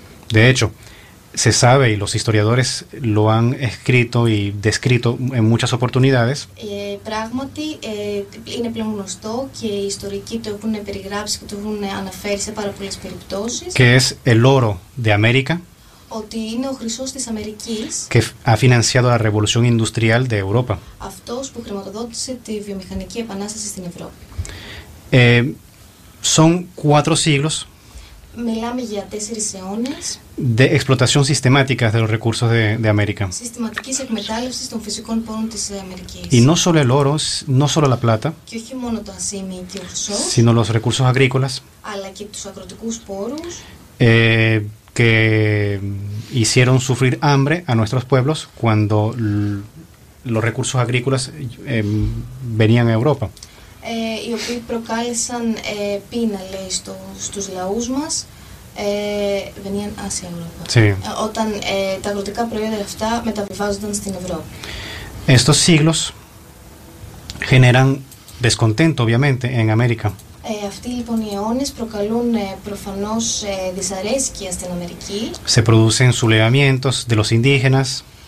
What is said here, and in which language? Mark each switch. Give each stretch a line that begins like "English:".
Spanish: De hecho, se sabe y los historiadores lo han escrito y descrito en muchas oportunidades.
Greek: Πράγματι, είναι πλέον γνωστό και οι ιστορικοί το έχουν περιγράψει και το έχουν αναφέρει σε πάρα πολλές περιπτώσεις.
Spanish: Que es el oro de América.
Greek: Ότι είναι ο χρυσός της Αμερικής.
Spanish: Que ha financiado la revolución industrial de Europa.
Greek: Αυτός που χρηματοδότησε τη βιομηχανική επανάσταση στην Ευρώπη.
Spanish: Son cuatro siglos
Greek: Μιλάμε για τέσσερις αιώνες
Spanish: de explotación sistemática de los recursos de América.
Greek: Συστηματικής εκμετάλλευσης των φυσικών πόρων της Αμερικής.
Spanish: Y no solo el oro, no solo la plata.
Greek: Και όχι μόνο το ασίμι και ο χρυσός.
Spanish: Sino los recursos agrícolas.
Greek: Αλλά και τους αγροτικούς πόρους.
Spanish: Que hicieron sufrir hambre a nuestros pueblos cuando los recursos agrícolas venían a Europa.
Greek: Οι οποίοι προκάλεσαν πείνα, λέει, στους λαούς μας,
Spanish: venían hacia Europa. Sí.
Greek: Όταν τα αγροτικά προϊόντα αυτά μεταβιβάζονταν στην Ευρώπη.
Spanish: Estos siglos generan descontento, obviamente, en América.
Greek: Αυτοί, λοιπόν, οι αιώνες προκαλούν προφανώς δυσαρέσκεια στην Αμερική.
Spanish: Se producen sublevamientos de los indígenas.